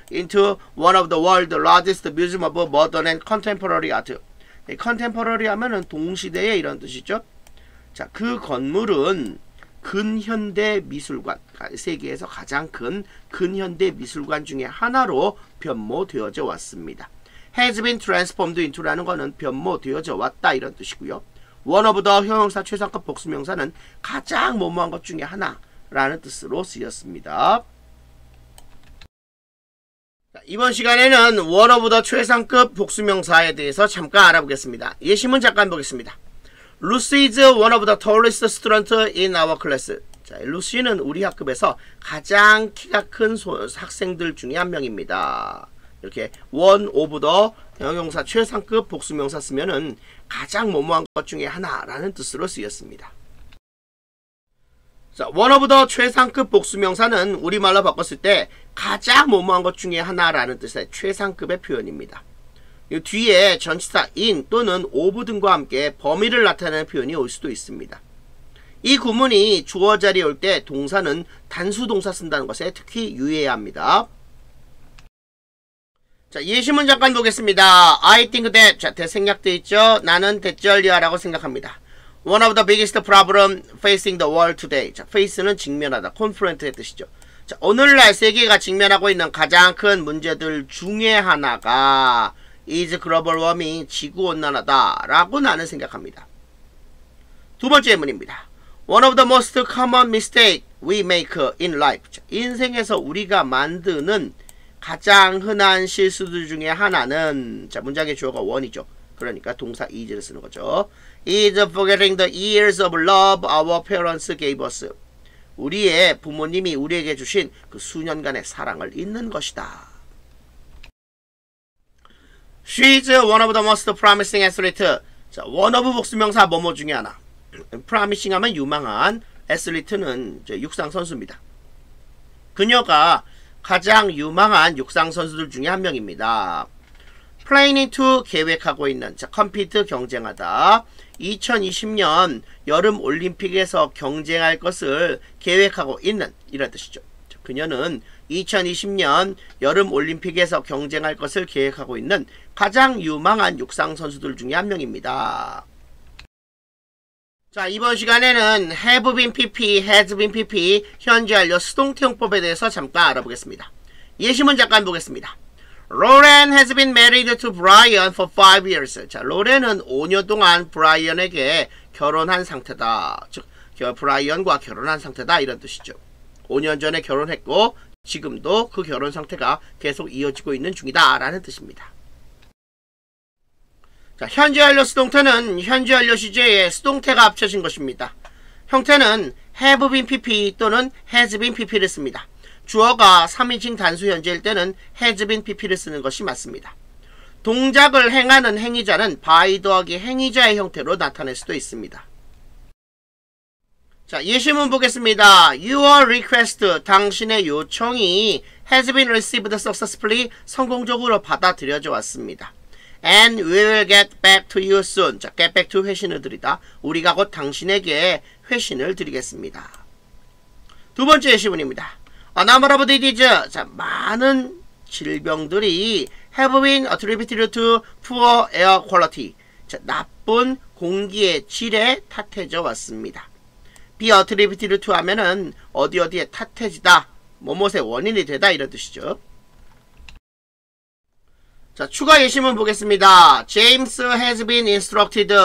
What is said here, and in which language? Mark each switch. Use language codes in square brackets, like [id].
[en] into one of the world's largest museum of modern and contemporary art. [ko] contemporary 하면은 동시대의 이런 뜻이죠. 자, 그 건물은 근현대 미술관, 세계에서 가장 큰 근현대 미술관 중에 하나로 변모되어져 왔습니다. has been transformed into 라는 거는 변모되어져 왔다 이런 뜻이고요. one of the 형용사 최상급 복수명사는 가장 뭐뭐한 것 중에 하나라는 뜻으로 쓰였습니다. 이번 시간에는 one of the 최상급 복수명사에 대해서 잠깐 알아보겠습니다. 예시문 잠깐 보겠습니다. [en] Lucy is one of the tallest students in our class. [ko] 자, 루시는 우리 학급에서 가장 키가 큰 학생들 중에 한 명입니다. 이렇게 one of the 형용사 최상급 복수명사 쓰면은 가장 뭐뭐한 것 중에 하나라는 뜻으로 쓰였습니다. 자, one of the 최상급 복수명사는 우리말로 바꿨을 때 가장 뭐뭐한 것 중에 하나라는 뜻의 최상급의 표현입니다. 뒤에 전치사 in 또는 of 등과 함께 범위를 나타내는 표현이 올 수도 있습니다. 이 구문이 주어 자리에 올 때 동사는 단수동사 쓴다는 것에 특히 유의해야 합니다. 자, 예시문 잠깐 보겠습니다. I think that, 자, 대 생략돼 있죠? 나는 대절리아라고 생각합니다. [en] One of the biggest problem facing the world today. [ko] 자, face는 직면하다, confront의 뜻이죠. 자, 오늘날 세계가 직면하고 있는 가장 큰 문제들 중에 하나가 is global warming, 지구온난화다 라고 나는 생각합니다. 두 번째 예문입니다. [en] One of the most common mistakes we make in life. [ko] 자, 인생에서 우리가 만드는 가장 흔한 실수들 중에 하나는, 자, 문장의 주어가 원이죠. 그러니까 동사 is를 쓰는 거죠. [en] is forgetting the years of love our parents gave us. [ko] 우리의 부모님이 우리에게 주신 그 수년간의 사랑을 잊는 것이다. [en] She is one of the most promising athletes. [ko] 자, one of 복수명사 뭐뭐 중에 하나. promising 하면 유망한, athlete는 육상 선수입니다. 그녀가 가장 유망한 육상 선수들 중에 한 명입니다. planning to 계획하고 있는, 자, compete 경쟁하다. 2020년 여름 올림픽에서 경쟁할 것을 계획하고 있는 이런 뜻이죠. 자, 그녀는 2020년 여름 올림픽에서 경쟁할 것을 계획하고 있는 가장 유망한 육상 선수들 중에 한 명입니다. 자, 이번 시간에는 have been PP, has been PP, 현재 완료 수동태 용법에 대해서 잠깐 알아보겠습니다. 예시문 잠깐 보겠습니다. [en] Lauren has been married to Brian for 5 years. [ko] 자, 로렌은 5년 동안 브라이언에게 결혼한 상태다. 즉, 브라이언과 결혼한 상태다 이런 뜻이죠. 5년 전에 결혼했고 지금도 그 결혼 상태가 계속 이어지고 있는 중이다 라는 뜻입니다. 자, 현재 완료 수동태는 현재 완료 시제에 수동태가 합쳐진 것입니다. 형태는 have been PP 또는 has been PP를 씁니다. 주어가 3인칭 단수 현재일 때는 has been PP를 쓰는 것이 맞습니다. 동작을 행하는 행위자는 by 더하기 행위자의 형태로 나타낼 수도 있습니다. 자, 예시문 보겠습니다. Your request, 당신의 요청이 has been received successfully, 성공적으로 받아들여져 왔습니다. [en] And we will get back to you soon. [ko] 자, get back to 회신을 드리다. 우리가 곧 당신에게 회신을 드리겠습니다. [en] 두 번째 예시문입니다. A number of diseases. 자, 많은 질병들이 have been attributed to poor air quality. [ko] 자, 나쁜 공기의 질에 탓해져 왔습니다. be attributed to 하면은 어디 어디에 탓해지다, 뭐뭐의 원인이 되다 이런 뜻이죠. 자, 추가 예시문 보겠습니다. [en] James has been instructed.